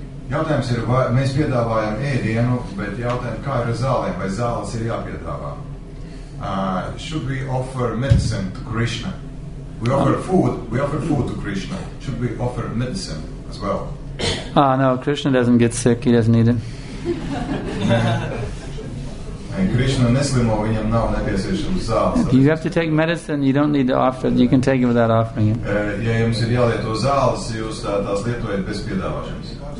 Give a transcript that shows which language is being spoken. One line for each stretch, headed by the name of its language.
Latvian: Jautājums ir, vai mēs piedāvājam ēdienu, bet jautājums, kā ir zālē, vai zāles ir jāpiedāvā?
English: Should we offer medicine to Krishna? We offer food, to Krishna. Should we offer medicine as well? Ah, no, Krishna doesn't get sick, he doesn't need it.
Latvian: Krishna neslimo, viņam nav nepieciešams zāles.
English: You have to take medicine, you don't need to offer it, you can take it without offering it.
Latvian: Ja jums ir jālieto zāles, jūs tās lietojat bez piedāvāšanas.